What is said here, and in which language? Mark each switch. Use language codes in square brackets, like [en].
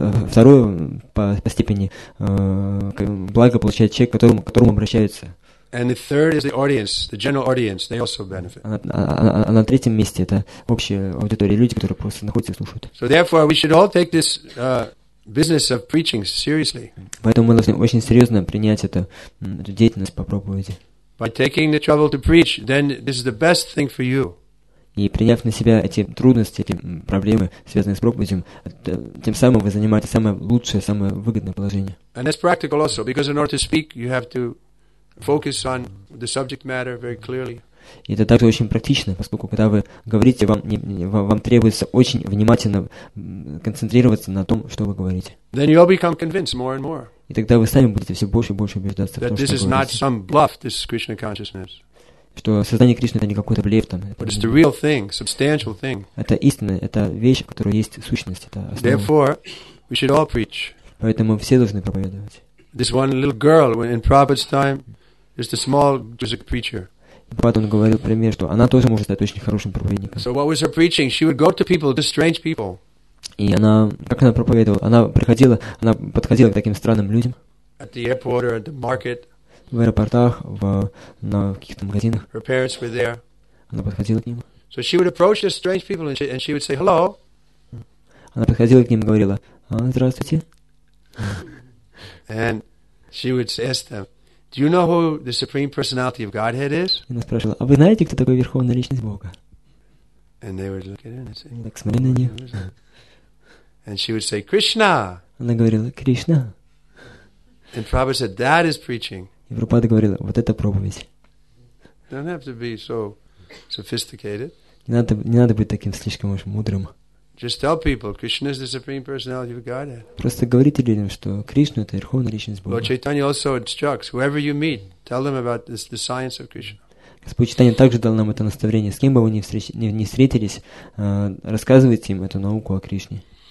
[ru] Второе по степени благо получает человек, к которому обращается. [en] And the third is the audience, the general audience. They also benefit. [ru] На третьем месте это общая аудитория, люди, которые просто находятся и слушают. [en] So therefore, we should all take this business of preaching seriously. [ru] Поэтому мы должны очень серьезно принять эту деятельность, попробовать. [en] By taking the trouble to preach, then this is the best thing for you. [ru] И приняв на себя эти трудности, эти проблемы, связанные с проповедью, тем самым вы занимаете самое лучшее, самое выгодное положение. [en] And that's practical also, because in order to speak, you have to focus on the subject matter very clearly. [ru] И это также очень практично, поскольку когда вы говорите, вам требуется очень внимательно концентрироваться на том, что вы говорите. [en] Then you'll become convinced more and more. [ru] И тогда вы сами будете все больше и больше убеждаться в том, что говорите. [en] That this is not some bluff, this is Krishna consciousness. [ru] Что сознание Кришны — это не какой-то блеф там. [en] But it's the real thing, substantial thing. [ru] Это истина, это вещь, в которой есть сущность, это основа. [en] Therefore, we should all preach. [ru] Поэтому мы все должны проповедовать. [en] This one little girl in Prabhupada's time is the small music preacher. [ru] Потом он говорил пример, что она тоже может стать очень хорошим проповедником. [en] So what was her preaching? She would go to people, to strange people. [ru] И она, как она проповедовала? Она приходила, она подходила к таким странным людям. [en] At the airport or at the market. [ru] В аэропортах, на каких-то магазинах. [en] Her parents were there. [ru] Она подходила к ним. [en] So she would approach the strange people and she would say hello. [ru] Она подходила к ним и говорила: здравствуйте. [en] And she would ask them, do you know who the supreme personality of Godhead is? [ru] Она спрашивала: а вы знаете, кто такой верховная личность Бога? [en] And they would look at her and say, [ru] так смотри на нее. [en] And she would say Krishna. [ru] Она говорила: Кришна. [en] And Prabhupada said that is preaching. [ru] И Прабхупада говорил: вот это проповедь. [en] Don't have to be so sophisticated. [ru] Не надо быть таким слишком уж мудрым. [en] Just tell people, Krishna is the supreme personality of Godhead. [ru] Просто говорите людям, что Кришна — это верховная личность Бога. [en] Lord Chaitanya also instructs, whoever you meet, tell them about this, the science of Krishna. [ru] Господь Чайтанья также дал нам это наставление. С кем бы вы ни встретились, рассказывайте им эту науку о Кришне.